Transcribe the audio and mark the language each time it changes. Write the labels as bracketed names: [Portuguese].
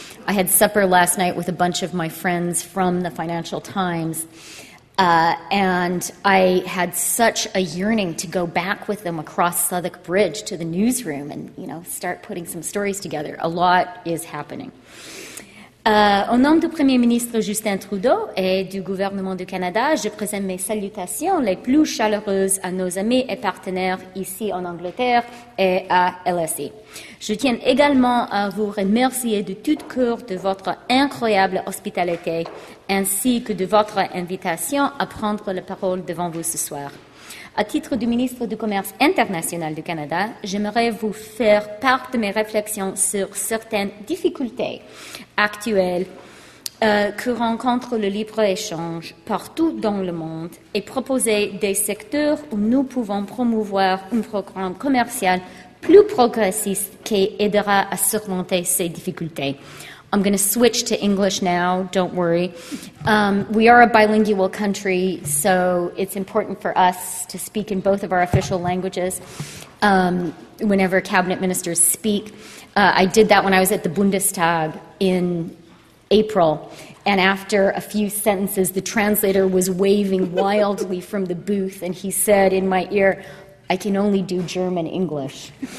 [English] I had supper last night with a bunch of my friends from the Financial Times. And I had such a yearning to go back with them across Southwark Bridge to the newsroom and, start putting some stories together. A lot is happening. [French] Au nom du Premier ministre Justin Trudeau et du gouvernement du Canada, je présente mes salutations les plus chaleureuses à nos amis et partenaires ici en Angleterre et à LSE. Je tiens également à vous remercier de tout cœur de votre incroyable hospitalité ainsi que de votre invitation à prendre la parole devant vous ce soir. À titre du ministre du Commerce international du Canada, j'aimerais vous faire part de mes réflexions sur certaines difficultés actuelles que rencontre le libre-échange partout dans le monde et proposer des secteurs où nous pouvons promouvoir un programme commercial plus progressiste qui aidera à surmonter ces difficultés. [English] I'm going to switch to English now, don't worry. We are a bilingual country, so it's important for us to speak in both of our official languages whenever cabinet ministers speak. I did that when I was at the Bundestag in April, and after a few sentences, the translator was waving wildly from the booth, and he said in my ear, I can only do German English.